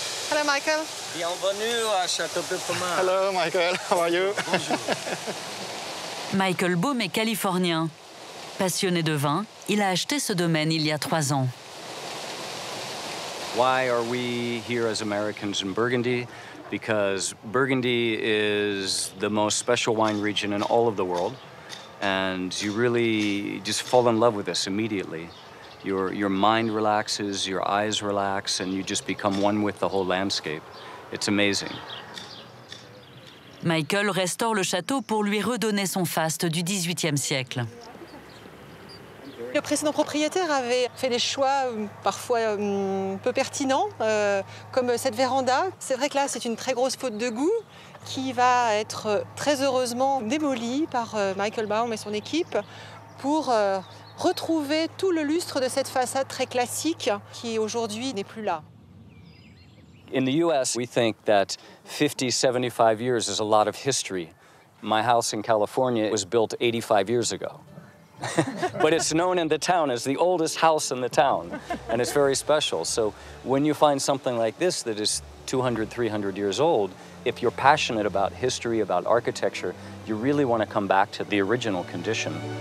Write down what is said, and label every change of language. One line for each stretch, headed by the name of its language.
English: Hello, Michael.
French: Bienvenue à Château de Pomard.
English: Hello, Michael. How are you?
French: Bonjour. Michael Baum est californien. Passionné de vin, il a acheté ce domaine il y a 3 ans.
English: Why are we here as Americans in Burgundy? Because Burgundy is the most special wine region in all of the world. And you really just fall in love with this immediately. Your mind relaxes, your eyes relax, and you just become one with the whole landscape. It's amazing.
French: Michael restaure le château pour lui redonner son faste du XVIIIe siècle. Le précédent propriétaire avait fait des choix parfois peu pertinents, comme cette véranda. C'est vrai que là, c'est une très grosse faute de goût qui va être très heureusement démolie par Michael Baum et son équipe pour retrouver tout le lustre de cette façade très classique qui aujourd'hui n'est plus là.
English: In the US, we think that 50, 75 years is a lot of history. My house in California was built 85 years ago. But it's known in the town as the oldest house in the town, and it's very special. So when you find something like this that is 200, 300 years old, if you're passionate about history, about architecture, you really want to come back to the original condition.